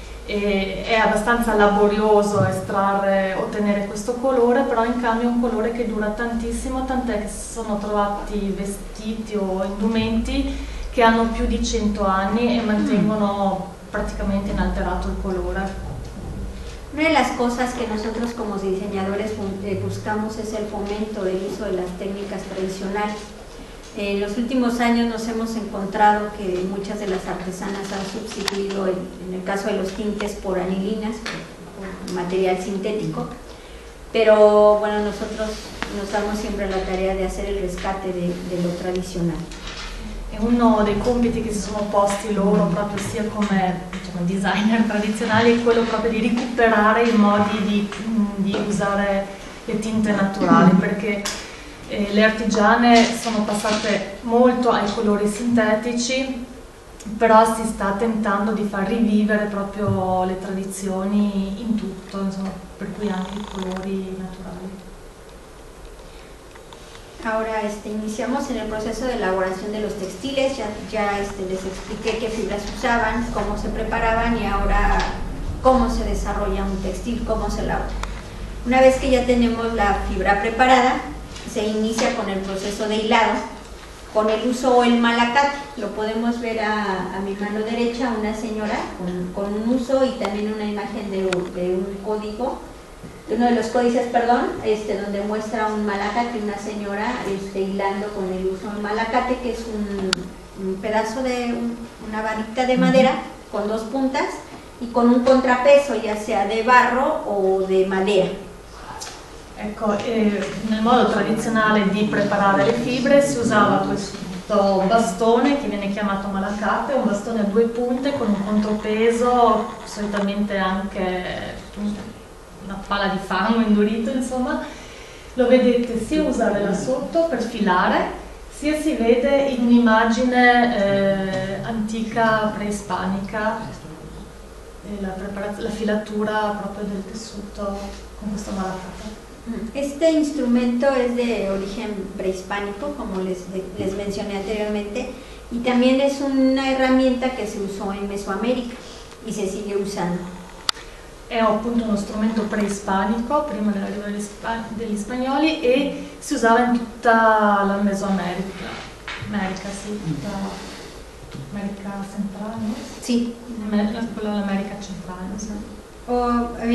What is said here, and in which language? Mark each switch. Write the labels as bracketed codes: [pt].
[it] E è abbastanza laborioso ottenere questo colore, però in cambio è un colore che dura tantissimo, tant'è che si sono trovati vestiti o indumenti che hanno più di 100 anni e mantengono praticamente inalterato il colore. [es] Una de las cosas que nosotros como diseñadores buscamos es el fomento del uso de las técnicas tradicionales. En los últimos años nos hemos encontrado que muchas de las artesanas han sustituido, en el caso de los tintes, por anilinas, por material sintético. Pero bueno, nosotros nos damos siempre la tarea de hacer el rescate de lo tradicional. [it] È uno dei compiti che si sono posti loro, proprio sia come designer tradizionali, è quello proprio di recuperare i modi di usare le tinte naturali, perché le artigiane sono passate molto ai colori sintetici Però si sta tentando di far rivivere proprio le tradizioni in tutto, insomma, per cui anche i colori naturali. [es] Ahora iniciamos en el proceso de elaboración de los textiles, ya les expliqué qué fibras usaban, cómo se preparaban y ahora cómo se desarrolla un textil, cómo se elabora. Una vez que ya tenemos la fibra preparada, se inicia con el proceso de hilado, con el uso o el malacate. Lo podemos ver a mi mano derecha, una señora con un uso y también una imagen de un código. Uno de los códices, perdón, donde muestra un malacate, una señora hilando con el uso del malacate, que es un pedazo de una varita de madera con dos puntas y con un contrapeso, ya sea de barro o de madera. [it] Ecco, nel modo tradizionale di preparare le fibre si usava questo bastone che viene chiamato malacate, un bastone a due punte con un contrapeso, solitamente anche una pala di fango indurito, insomma, lo vedete sia usare là sotto per filare, sia si vede in un'immagine antica preispanica, la filatura proprio del tessuto con questo malacate. [es] Este instrumento es de origen preispánico, como les mencioné anteriormente, y también es una herramienta que se usó en Mesoamérica y se sigue usando. [it] È appunto uno strumento preispanico, prima dell'arrivo degli spagnoli, e si usava in tutta la Mesoamerica, tutta l'America centrale, no? Sì. Quella dell'America centrale, no?